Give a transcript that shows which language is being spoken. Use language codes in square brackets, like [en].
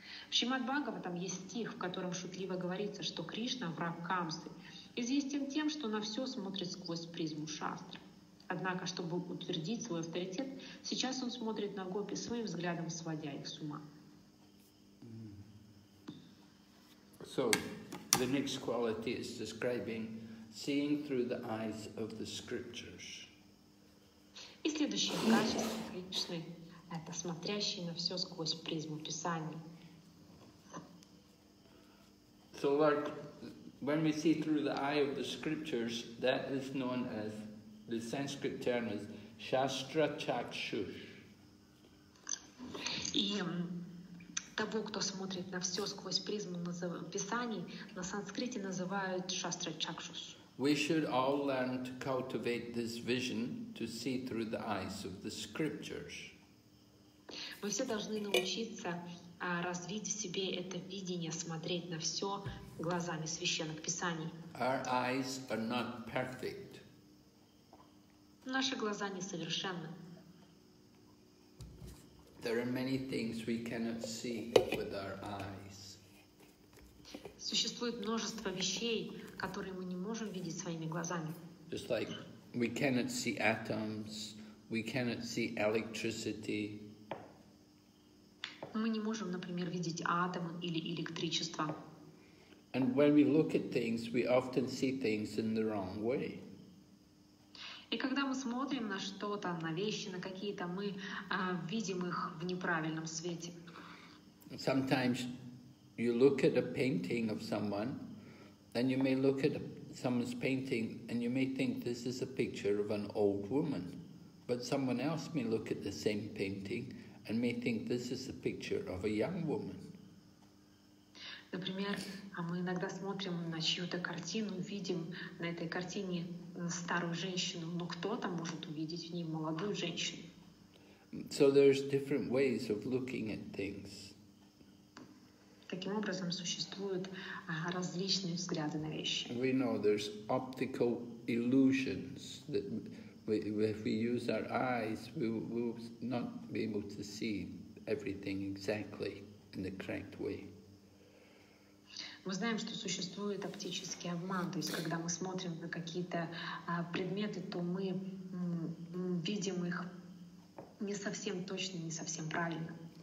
[ru] В Шримад-Бхагаватам есть стих, в котором шутливо говорится, что Кришна – враг Камсы, известен тем, что на все смотрит сквозь призму шастры. Однако, чтобы утвердить свой авторитет, сейчас он смотрит на гопи своим взглядом, сводя их с ума. [en] So, the next quality is describing seeing through the eyes of the scriptures. [ru] И следующее качество Кришны – это смотрящий на все сквозь призму Писаний. [en] So, like, when we see through the eye of the scriptures, that is known as the Sanskrit term is Shastra Chakshush. [ru] И того, кто смотрит на все сквозь призму Писаний, на санскрите называют Shastra Chakshush. [en] We should all learn to cultivate this vision to see through the eyes of the scriptures. [ru] Мы все должны научиться развить в себе это видение, смотреть на все глазами священных Писаний. [en] Our eyes are not perfect. [ru] Наши глаза несовершенны. [en] There are many things we cannot see with our eyes. [ru] Существует множество вещей, которые мы не можем видеть своими глазами. [en] Just like we cannot see atoms, we cannot see electricity. [ru] Мы не можем, например, видеть атомы или электричество. [en] And when we look at things, we often see things in the wrong way. [ru] И когда мы смотрим на что-то, на вещи, на какие-то, мы видим их в неправильном свете. [en] Sometimes you look at a painting of someone, then you may look at someone's painting and you may think this is a picture of an old woman. But someone else may look at the same painting and may think this is a picture of a young woman. [ru] Например, мы иногда смотрим на чью-то картину, видим на этой картине старую женщину, но кто-то может увидеть в ней молодую женщину. [en] So there's different ways of looking at things. [ru] Таким образом, существуют различные взгляды на вещи. [en] We know there's optical illusions that if we use our eyes, we will not be able to see everything exactly in the correct way. [ru] Мы знаем, что существует оптический обман, то есть когда мы смотрим на какие-то предметы, то мы видим их не совсем точно, не совсем правильно.